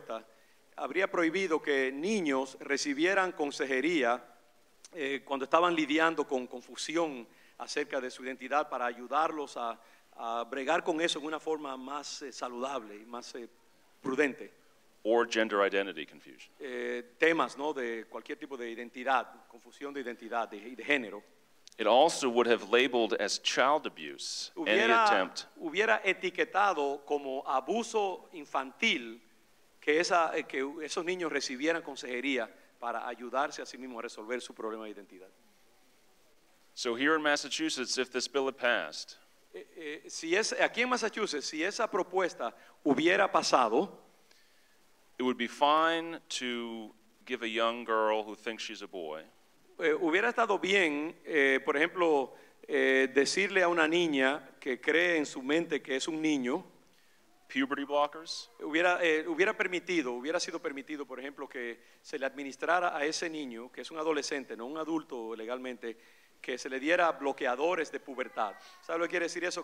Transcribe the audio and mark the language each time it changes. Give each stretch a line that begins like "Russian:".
Spanish: Esa propuesta habría prohibido que niños recibieran consejería cuando estaban lidiando con confusión acerca de su identidad para ayudarlos a bregar con eso en una forma más saludable y más prudente.
English: Or gender identity confusion.
Spanish: Temas, ¿no?, de cualquier tipo de identidad, confusión de identidad y de género.
English: It also would have labeled as child abuse any attempt.
Spanish: Hubiera etiquetado como abuso infantil que esos niños recibieran consejería para ayudarse a sí mismos a resolver su problema de identidad.
English: So here in Massachusetts, if this bill had passed,
Spanish: aquí en Massachusetts, si esa propuesta hubiera pasado,
English: it would be fine to give a young girl who thinks she's a boy.
Spanish: Hubiera estado bien, por ejemplo, decirle a una niña que cree en su mente que es un niño.
English: Puberty blockers.
Spanish: Hubiera sido permitido, por ejemplo, que se le administrara a ese niño, que es un adolescente, no un adulto legalmente, que se le diera bloqueadores de pubertad. ¿Sabe lo que quiere decir eso?